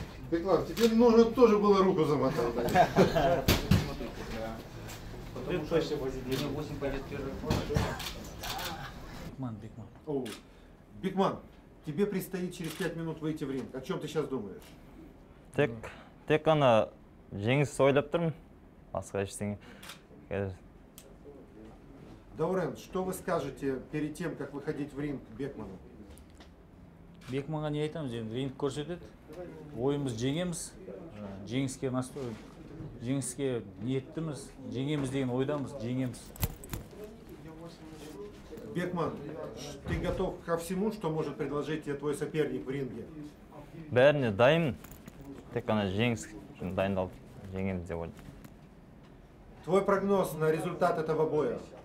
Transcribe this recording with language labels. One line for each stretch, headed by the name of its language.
Russian: Беклан, теперь нужно тоже было руку замотать. Потому что если возить 8 пойдет первый. Бекман, Бекман. Бекман, тебе предстоит через 5 минут выйти в ринг. О чем ты сейчас думаешь?
Kazakh: Так она жеңіс ойлап тұрмын. Басқа ештеңе.
Russian: Даурен, что вы скажете перед тем, как выходить в ринг Бекману?
Kazakh: Бекманға не айтамыз, енді ринг көрсетеді. Ойымыз жеңеміз, жеңіске настрой, жеңіске ниеттіміз, жеңеміз деген ойдамыз, жеңеміз.
Russian: Бекман, ты готов ко всему, что может предложить тебе твой соперник в ринге?
Kazakh: Бәріне дайын. Тек ана жеңіске дайындалып, жеңеміз деп ойлаймын.
Russian: Твой прогноз на результат этого боя?